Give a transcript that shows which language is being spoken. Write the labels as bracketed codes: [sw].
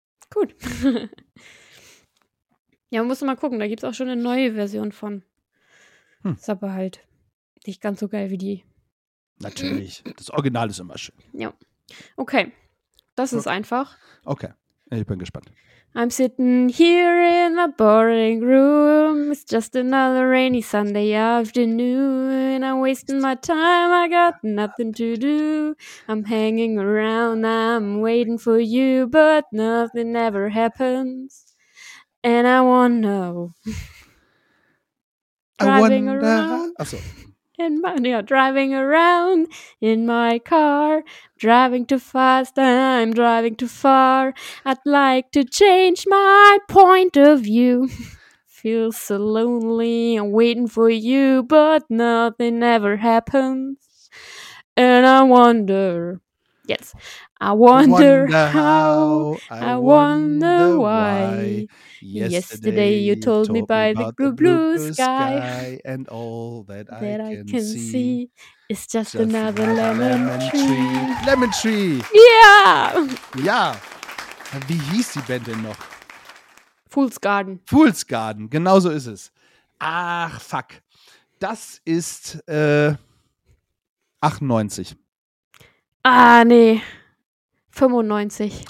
[de] Gut. Ja, man muss mal gucken, da gibt es auch schon eine neue Version von. Ist aber halt nicht ganz so geil wie die. Natürlich, das Original ist immer schön. Ja, okay, das ist einfach. Okay, ich bin gespannt. [en] I'm sitting here in a boring room. It's just another rainy Sunday afternoon. I'm wasting my time, I got nothing to do. I'm hanging around, I'm waiting for you, but nothing ever happens. And I wonder. Driving around. [de] Achso. [en] Driving around in my car. Driving too fast, I'm driving too far. I'd like to change my point of view. Feel so lonely, I'm waiting for you, but nothing ever happens. And I wonder. Yes. I wonder why. Yesterday you told me by the blue sky. And all that I can see is just another lemon tree. Lemon Tree! Yeah! [de] Ja! Wie hieß die Band denn noch? [en] Fool's Garden. [de] Fool's Garden, genau so ist es. Ach, fuck. Das ist 98. Ah, nee. 95.